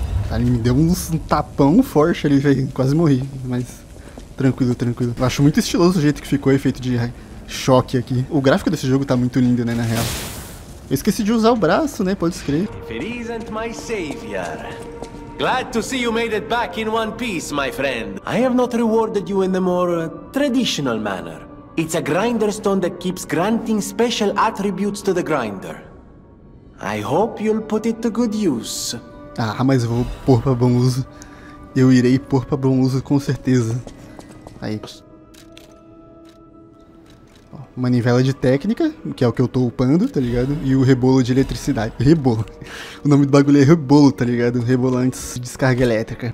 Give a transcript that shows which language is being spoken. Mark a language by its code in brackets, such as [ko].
[pt] Ali me deu um tapão forte ali, velho. Quase morri, mas tranquilo, tranquilo. Eu acho muito estiloso o jeito que ficou o efeito de choque aqui. O gráfico desse jogo tá muito lindo, né, na real. Eu esqueci de usar o braço, né? Pode escrever. [en] If it isn't my savior. Glad to see you made it back in one piece, my friend. I have not rewarded you in the more traditional manner. It's a grinder stone that keeps granting special attributes to the grinder. I hope you'll put it to good use. [pt] Ah, mas eu vou pôr pra bom uso. Eu irei pôr pra bom uso com certeza. Aí. manivela de técnica, que é o que eu tô upando, tá ligado? E o rebolo de eletricidade. Rebolo. O nome do bagulho é rebolo, tá ligado? Rebolantes de descarga elétrica.